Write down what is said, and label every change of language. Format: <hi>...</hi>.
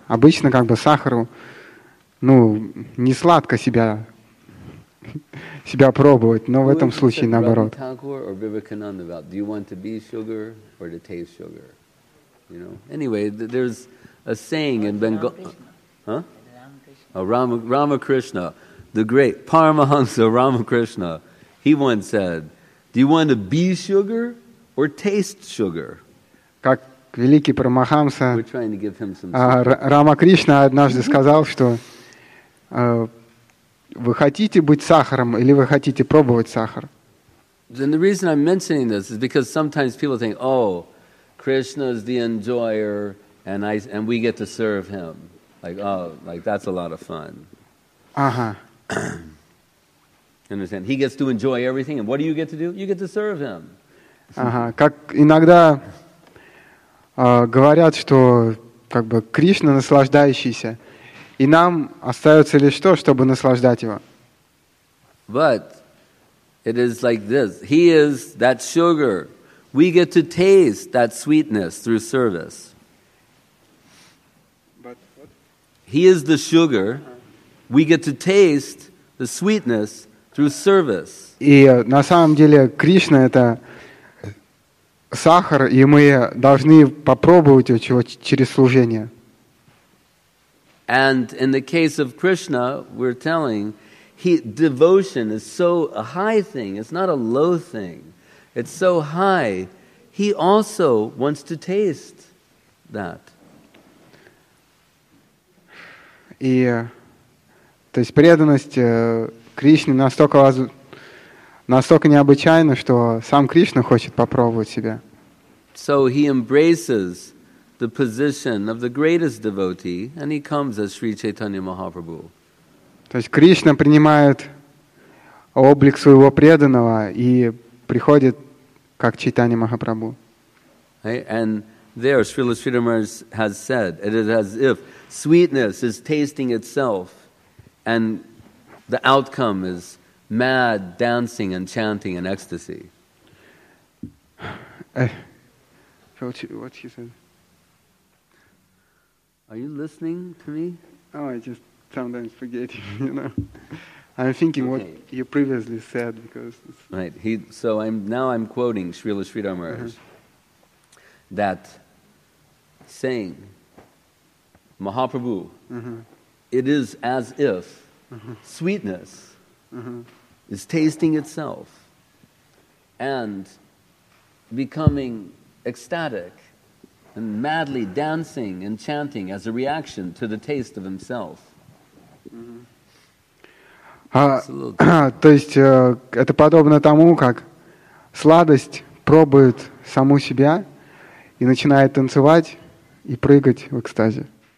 <ru>Обычно как бы сахару не сладко себя пробовать, но в этом случае наоборот.</ru> <en>Do you want to be sugar or to taste sugar? You know. Anyway, there's a saying in Bengal. Ramakrishna, the great Paramahansa Ramakrishna, he once said, "Do you want to be sugar or taste sugar?"</en> <ru>Как великий Парамахамса Рамакришна однажды сказал, что вы хотите быть сахаром или вы хотите пробовать сахар?</ru> <en>Then the reason I'm mentioning this is because sometimes people think, "Oh, Krishna is the enjoyer, and we get to serve him." Like that's a lot of fun. Understand? He gets to enjoy everything, and what do you get to do? You get to serve him.</en> <ru>Как иногда говорят, что как бы Кришна наслаждающийся, и нам остается лишь то, чтобы наслаждать его.</ru> <en>But it is like this. He is that sugar. We get to taste that sweetness through service. He is the sugar. We get to taste the sweetness through service.</en> <ru>И на самом деле Кришна — это сахар, и мы должны попробовать его через служение.</ru> <en>And in the case of Krishna, we're telling, devotion is so a high thing, it's not a low thing. It's so high, he also wants to taste that.</en> <ru>И, то есть, преданность Кришне настолько необычайна, что сам Кришна хочет попробовать себя.</ru> <en>So he embraces the position of the greatest devotee, and he comes as Sri Chaitanya Mahaprabhu.</en> <ru>То есть Кришна принимает облик своего преданного и приходит как Чайтанья Махапрабху.</ru> <en>And there, Srila Sridhar has said, it is as if sweetness is tasting itself, and the outcome is mad dancing and chanting in ecstasy. What she said? Are you listening to me? Oh, I just sometimes forget. You know, I'm thinking okay. What you previously said because it's right. I'm quoting Srila Sridhar Maharaj. That saying. Mahaprabhu, it is as if sweetness is tasting itself and becoming ecstatic and madly dancing and chanting as a reaction to the taste of himself.</en> <ru>То есть это подобно тому, как сладость пробует саму себя и начинает танцевать и прыгать в экстазе.</ru>